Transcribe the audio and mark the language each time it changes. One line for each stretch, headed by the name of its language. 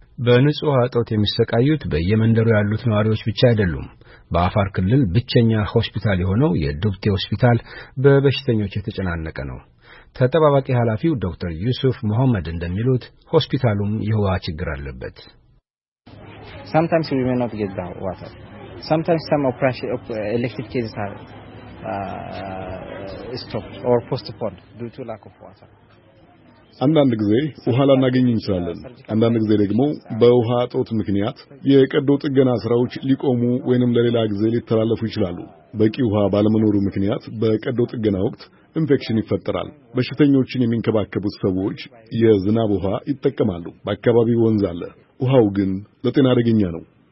Amharic: በንጹህ ውሃ እጦት የሚሰቃዩት በየመንደሩ ያሉት ነዋሪዎች ብቻ አይደሉም። በአፋር ክልል ብቸኛ ሆስፒታል የሆነው የዱብቴ ሆስፒታል በበሽተኞች የተጨናነቀ ነው። ተጠባባቂ ኃላፊው ዶክተር ዩሱፍ መሐመድ እንደሚሉት ሆስፒታሉም የውሃ ችግር አለበት።
English: Sometimes we may not get the water. Sometimes some elective cases are stopped or postponed due to lack of water.
Amharic: አንዳንድ ጊዜ ውሃ ላናገኝ እንችላለን። አንዳንድ ጊዜ ደግሞ በውሃ እጦት ምክንያት የቀዶ ጥገና ስራዎች ሊቆሙ ወይንም ለሌላ ጊዜ ሊተላለፉ ይችላሉ። በቂ ውሃ ባለመኖሩ ምክንያት በቀዶ ጥገና ወቅት ኢንፌክሽን ይፈጠራል። በሽተኞችን የሚንከባከቡት ሰዎች የዝናብ ውሃ ይጠቀማሉ። በአካባቢው ወንዝ አለ። ውሃው ግን ለጤና አደገኛ ነው።